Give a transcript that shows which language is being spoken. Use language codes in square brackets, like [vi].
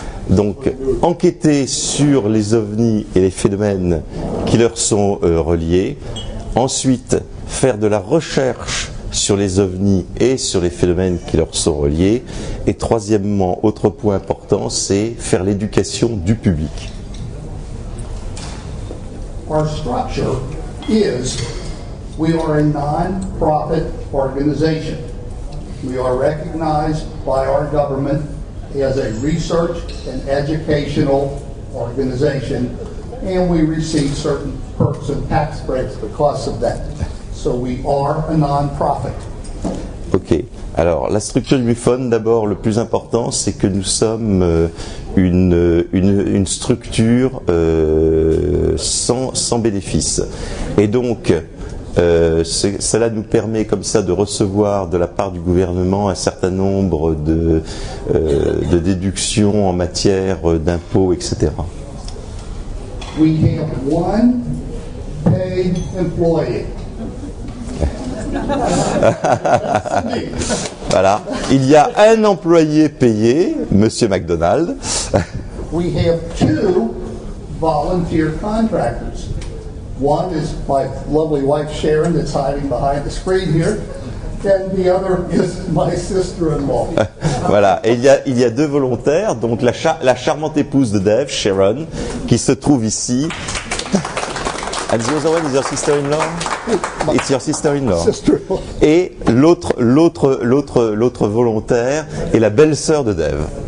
[fr] Donc enquêter sur les ovnis et les phénomènes qui leur sont reliés. Ensuite, faire de la recherche sur les ovnis et sur les phénomènes qui leur sont reliés. Et troisièmement, autre point important, c'est faire l'éducation du public. [en] Our structure is we are a non-profit organization. We are recognized by our government as a research and educational organization, and we receive certain perks and tax breaks because of that. So we are a non-profit. Ok. [fr] Alors, la structure du MUFON, d'abord, le plus important, c'est que nous sommes une structure sans bénéfice. Et donc, cela nous permet comme ça de recevoir de la part du gouvernement un certain nombre de déductions en matière d'impôts, etc. [en] We have one paid employee. [fr] Voilà, il y a un employé payé, Monsieur MacDonald. [en] We have two volunteer contractors. One is my lovely wife Sharon that's hiding behind the screen here, and the other is my sister-in-law. [fr] Voilà, et il y a deux volontaires, donc la charmante épouse de Dave, Sharon, qui se trouve ici. [en] And the other one is your sister-in-law. It's your sister-in-law. [fr] Et l'autre volontaire est la belle-sœur de Dave.